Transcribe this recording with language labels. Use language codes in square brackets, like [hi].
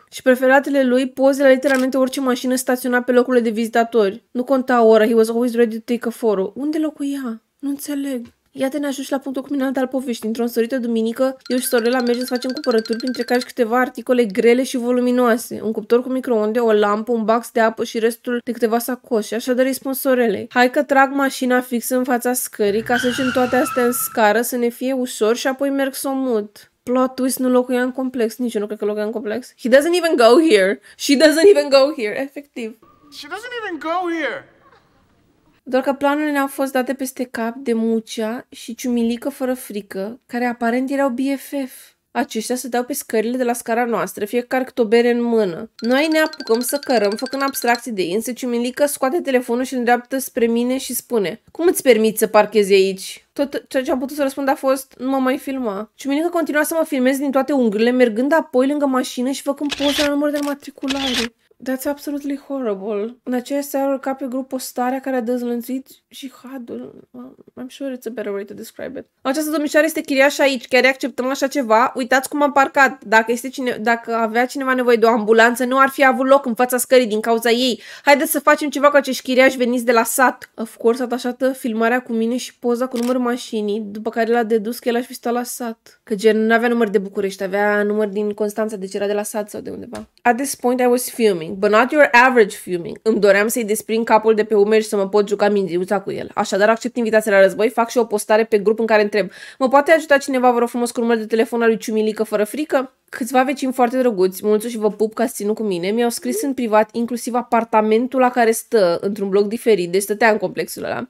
[ro] Și preferatele lui, poze la literalmente orice mașină staționat pe locurile de vizitatori. Nu conta ora, [en] he was always ready to take a photo. [ro] Unde locuia? Nu înțeleg. Iată ne ajungi la punctul culminant al poveștii. Într-o însorită duminică, eu și Sorela mergem să facem cumpărături, printre care și câteva articole grele și voluminoase. Un cuptor cu microonde, o lampă, un box de apă și restul de câteva sacoșe. Așa de răspuns Sorelei. Hai că trag mașina fix în fața scării ca să ducem toate astea în scară, să ne fie ușor și apoi merg să o mut. Plot twist, nu locuia în complex, nici eu nu cred că locuia în complex. [en] He doesn't even go here. She doesn't even go here, [ro] efectiv. [en] She doesn't even go here. [ro] Doar că planurile ne-au fost date peste cap de Mucea și Ciumilică fără frică, care aparent erau BFF. Aceștia se dau pe scările de la scara noastră, fiecare cât o bere în mână. Noi ne apucăm să cărăm, făcând abstracții de ei, însă Ciumilică scoate telefonul și îndreaptă spre mine și spune: cum îți permiți să parchezi aici? Tot ceea ce am putut să răspund a fost: nu mă mai filma. Ciumilică continua să mă filmez din toate unghiurile, mergând apoi lângă mașină și făcând poze la numărul de matriculare. [en] That's absolutely horrible. [ro] În aceeași seară urca pe grup postarea care a dezlănțuit jihadul. [en] I'm sure it's a better way to describe it. [ro] Această domnișoară este chiriașă aici. Chiar acceptăm așa ceva? Uitați cum am parcat. Dacă avea cineva nevoie de o ambulanță, nu ar fi avut loc în fața scării din cauza ei. Haideți să facem ceva cu acești chiriași veniți de la sat. [en] Of course, [ro] atașată filmarea cu mine și poza cu numărul mașinii, după care l-a dedus că el aș fi stat la sat. Că gen nu avea număr de București, avea număr din Constanța, deci era de la sat sau de undeva. [en] At this point I was fuming. But not your average fuming. [ro] Îmi doream să-i desprind capul de pe umeri și să mă pot juca mingiuța cu el. Așadar, accept invitația la război, fac și o postare pe grup în care întreb: mă poate ajuta cineva, vă rog frumos, cu numărul de telefon al lui Ciumilică fără frică? Câțiva vecini foarte drăguți, mulțu și vă pup că ați ținut cu mine, mi-au scris în privat, inclusiv apartamentul la care stă, într-un bloc diferit, deci stătea în complexul ăla.